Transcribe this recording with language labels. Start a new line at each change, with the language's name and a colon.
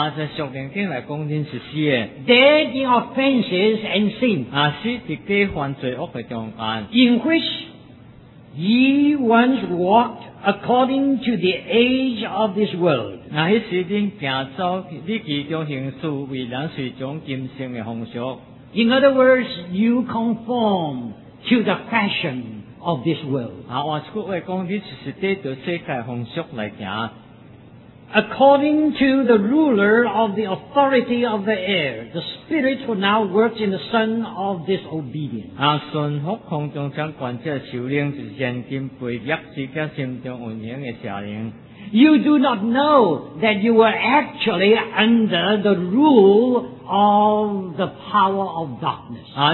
Chinese: 在属灵上来讲你是死的。
English: Dead in offenses and sin.
Chinese: 死在过犯罪恶的中间。
English: In which ye once walked according to the age of this world.
Chinese: 那时你行走，你其中行事为人随从今生的风俗。
English: In other words, you conform to the fashion. Of this world.
Chinese: 我这句话说你就是在这世界的风俗来行
English: according to the ruler of the authority of the air, the Spirit will now work in the son of disobedience. You do not know that you were actually under the rule of the power of darkness.